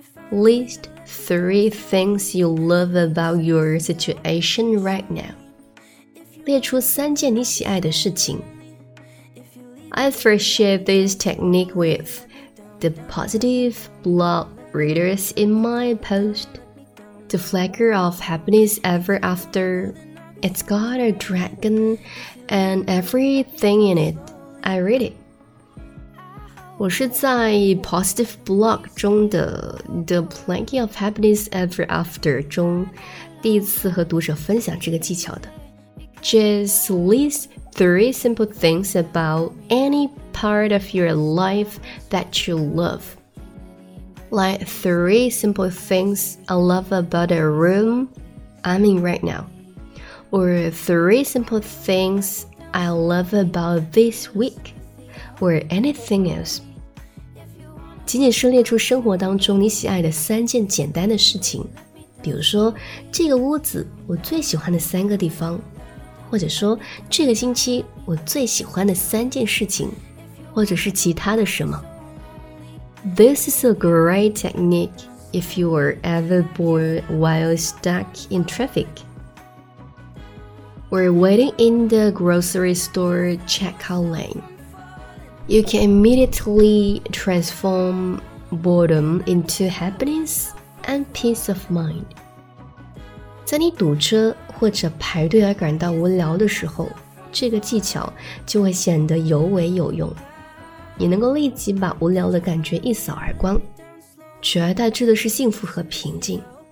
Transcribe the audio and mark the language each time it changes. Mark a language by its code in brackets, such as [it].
[en] List three things you love about your situation right now. [zh] 列出三件你喜爱的事情。 [en] I first shared this technique with the positive blog readers in my post. The flicker of happiness ever after. It's got a dragon and everything in it. I read it. [zh] 我是在 Positive Blog 中的 The Plenty of Happiness Ever After 中第一次和读者分享这个技巧的。 [en] Just list three simple things about any part of your life that you love. Like three simple things I love about a room I'm in right now. Or three simple things I love about this week. Or anything else. [zh] 仅仅是列出生活当中你喜爱的三件简单的事情，比如说这个屋子我最喜欢的三个地方，或者说这个星期我最喜欢的三件事情，或者是其他的什么。 [en] This is a great technique if you are ever bored while stuck in traffic or waiting in the grocery store checkout lane. You can immediately transform boredom into happiness and peace of mind. [zh] 在你堵车或者排队而感到无聊的时候，这个技巧就会显得尤为有用。你能够立即把无聊的感觉一扫而光，取而代之的是幸福和平静。